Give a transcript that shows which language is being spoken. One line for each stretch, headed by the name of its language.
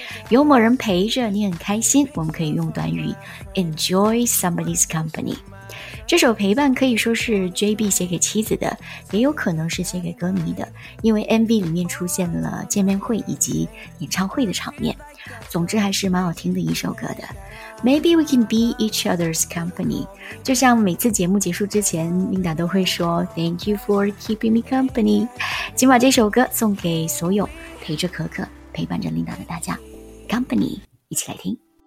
Chinese: 有某人陪着你很开心，我们可以用短语 enjoy somebody's company。这首陪伴可以说是 JB 写给妻子的，也有可能是写给歌迷的，因为 MV 里面出现了见面会以及演唱会的场面。总之还是蛮好听的一首歌的。
English: Maybe we can be each other's company，
Chinese: 就像每次节目结束之前 Linda 都会说
English: Thank you for keeping me company。
Chinese: 请把这首歌送给所有陪着可可陪伴着领导的大家， Company 一起来听。